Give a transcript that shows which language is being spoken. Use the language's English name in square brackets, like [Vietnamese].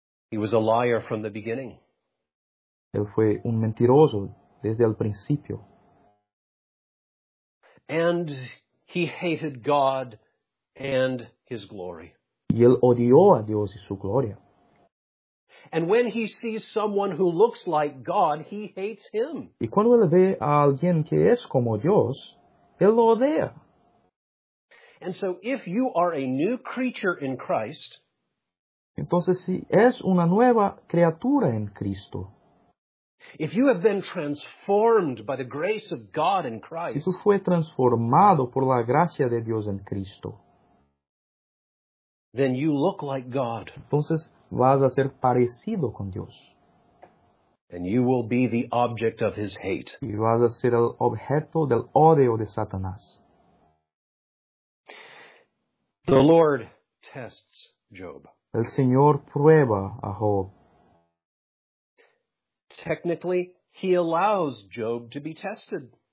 [English] He was a liar from the beginning. [Spanish] Él fue un mentiroso desde el principio. [English] And he hated God and his glory. [Spanish] Y él odió a Dios y su gloria. [English] And when he sees someone who looks like God, he hates him. [Spanish] Y cuando él ve a alguien que es como Dios, él lo odia. [English] And so if you are a new creature in Christ, [Spanish] entonces si es una nueva criatura en Cristo, [English] if you have been transformed by the grace of God in Christ, [Spanish] si tú fue transformado por la gracia de Dios en Cristo, [English] then you look like God. [Spanish] Entonces vas a ser parecido con Dios. [English] And you will be the object of his hate. [Spanish] Y vas a ser el objeto del odio de Satanás. [English] The Lord tests Job. [Spanish] El Señor prueba a Job. [English] Technically, he allows Job to be tested.